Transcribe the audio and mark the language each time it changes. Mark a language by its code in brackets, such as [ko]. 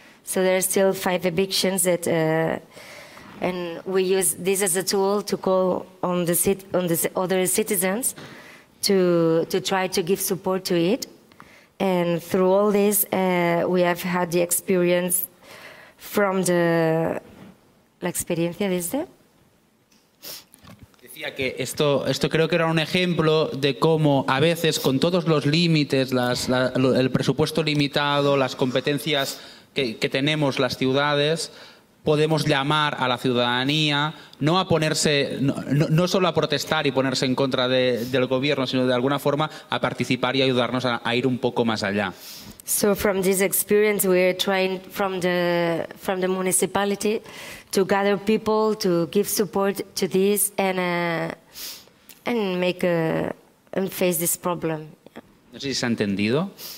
[en] So there are still 5 evictions that, and we use this as a tool to call on the other citizens to try to give support to it. And through all this, we have had the experience from the... [es] La experiencia desde... Decía que esto creo que era un ejemplo de cómo a veces, con todos los límites, el presupuesto limitado, las competencias que tenemos las ciudades, podemos llamar a la ciudadanía, no a ponerse, no solo a protestar y ponerse en contra del gobierno, sino de alguna forma a participar y ayudarnos a ir un poco más allá. [en] So from this experience we're trying from the municipality to gather people to give support to this and face this problem. [es] No sé si se ha entendido.